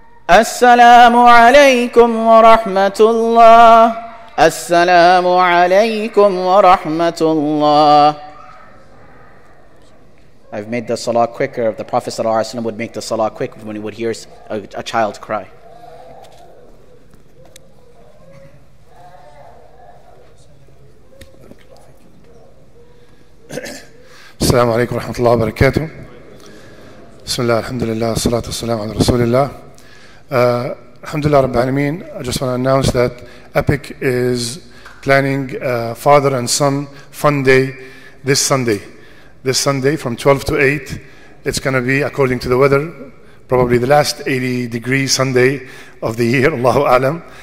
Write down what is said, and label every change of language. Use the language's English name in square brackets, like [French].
[Arabic] السلام عليكم ورحمة الله. السلام عليكم ورحمة الله. [English] I've made the salah quicker. The Prophet [Arabic] صلى الله عليه وسلم [English] would make the salah quick when he would hear a child cry. [Arabic] السلام عليكم ورحمة الله وبركاته. بسم الله الحمد لله الصلاة والسلام على رسول الله. [English] Alhamdulillah Rabbil Alameen, I just want to announce that EPIC is planning a father and son fun day this Sunday. This Sunday from 12 to 8, it's going to be, according to the weather, probably the last 80 degree Sunday of the year, Allahu A'lam.